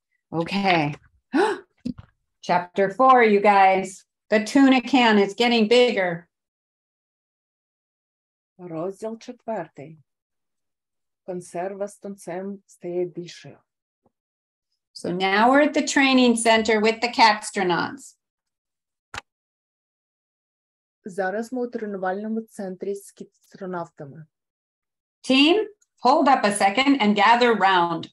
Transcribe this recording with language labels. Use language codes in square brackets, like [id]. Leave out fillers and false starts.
[en] Okay. Chapter 4, you guys. The tuna can is getting bigger. [uk] Розділ 4. Консерва з тунцем стає більше. [en] So now we're at the training center with the CatStronauts. [uk] Зараз ми у тренувальному центрі з кіт-астронавтами. [en] Team, hold up a second and gather round.